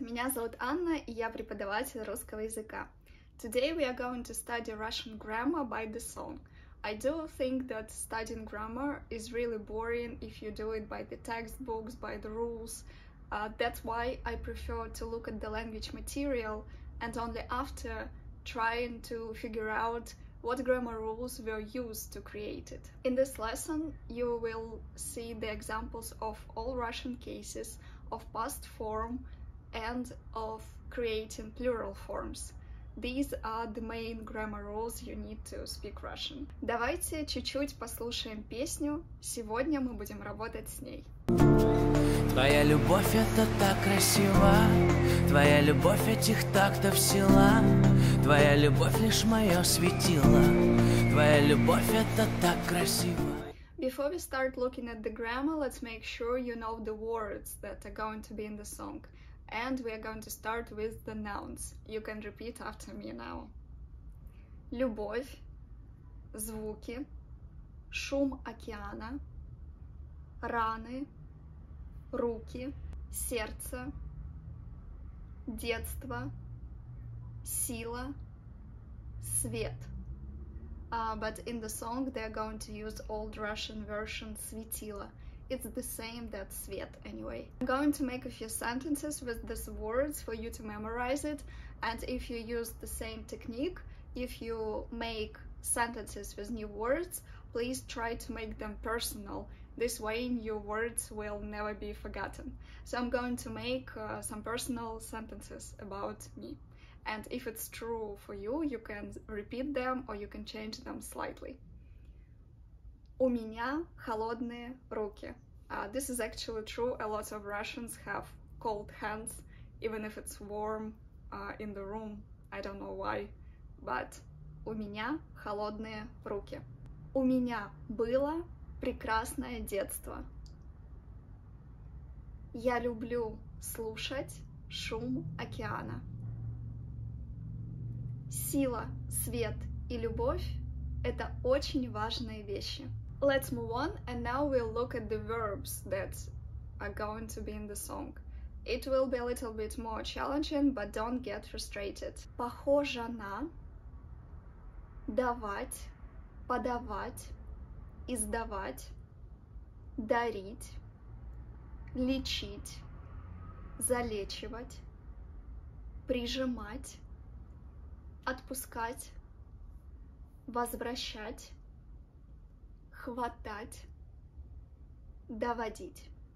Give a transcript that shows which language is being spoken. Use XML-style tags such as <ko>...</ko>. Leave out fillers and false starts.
<ru>Меня зовут Анна, и я преподаватель русского языка.</ru> <en>Today we are going to study Russian grammar by the song. I do think that studying grammar is really boring if you do it by the textbooks, by the rules. That's why I prefer to look at the language material and only after trying to figure out what grammar rules were used to create it. In this lesson, you will see the examples of all Russian cases of past form and of creating plural forms. These are the main grammar rules you need to speak Russian.</en> <ru>Давайте чуть-чуть послушаем песню. Сегодня мы будем работать с ней. Твоя любовь это так красиво. Твоя любовь этих тактов сила. Твоя любовь лишь моё светило. Твоя любовь это так красиво.</ru> <en>Before we start looking at the grammar, let's make sure you know the words that are going to be in the song. And we are going to start with the nouns. You can repeat after me now.</en> <ru>Любовь, звуки, шум океана, раны, руки, сердце, детство, сила, свет.</ru> <en>But in the song, they are going to use old Russian version svetilo. It's the same that svet, anyway. I'm going to make a few sentences with these words for you to memorize it. And if you use the same technique, if you make sentences with new words, please try to make them personal. This way, your words will never be forgotten. So I'm going to make some personal sentences about me. And if it's true for you, you can repeat them or you can change them slightly.</en> <ru>У меня холодные руки.</ru> <en>This is actually true. A lot of Russians have cold hands, even if it's warm in the room. I don't know why, but</en> <ru>у меня холодные руки. У меня было прекрасное детство. Я люблю слушать шум океана. Сила, свет и любовь – это очень важные вещи.</ru> <en>Let's move on, and now we'll look at the verbs that are going to be in the song. It will be a little bit more challenging, but don't get frustrated.</en> <ru>Похожа на, давать, подавать, издавать, дарить, лечить, залечивать, прижимать, отпускать, возвращать, хватать, доводить.</ru>